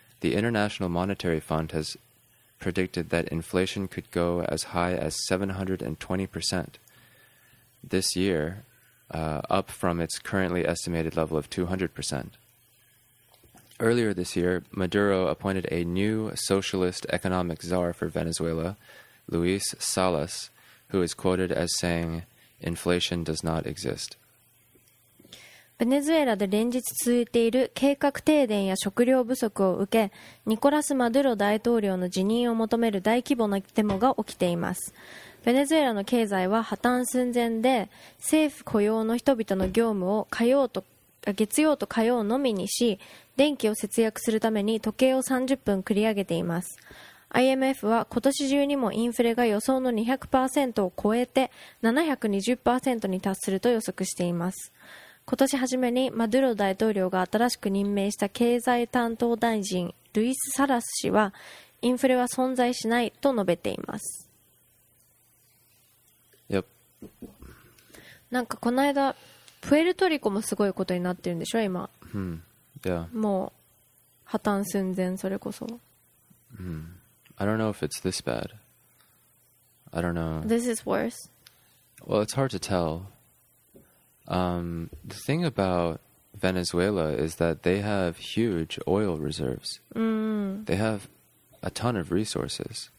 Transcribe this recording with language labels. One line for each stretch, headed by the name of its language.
English: The International Monetary Fund has predicted that inflation could go as high as 720% this year, up from its currently estimated level of 200%. Earlier this year, Maduro appointed a new socialist economic czar for Venezuela, Luis Salas, who is quoted as saying, inflation does not exist.
Japanese: ベネズエラで連日続いている計画停電や食料不足を受け、ニコラス・マドゥロ大統領の辞任を求める大規模なデモが起きています。ベネズエラの経済は破綻寸前で、政府雇用の人々の業務を月曜と火曜のみにし、電気を節約するために時計を30分繰り上げています。 IMF は今年中にもインフレが予想の 200% を超えて 720% に達すると予測しています。今年初めにマドゥロ大統領が新しく任命した経済担当大臣ルイス・サラス氏はインフレは存在しないと述べています。
English: Yep.
Japanese: なんかこの間プエルトリコもすごいことになってるんでしょ今。
English: Hmm. Yeah.
Japanese: もう破綻寸前それこそ。
English: Hmm. I don't know if it's this bad. I don't know. This is worse. Well, it's hard to tell. The thing about Venezuela is that they have huge oil reserves. Mm. They have a ton of resources.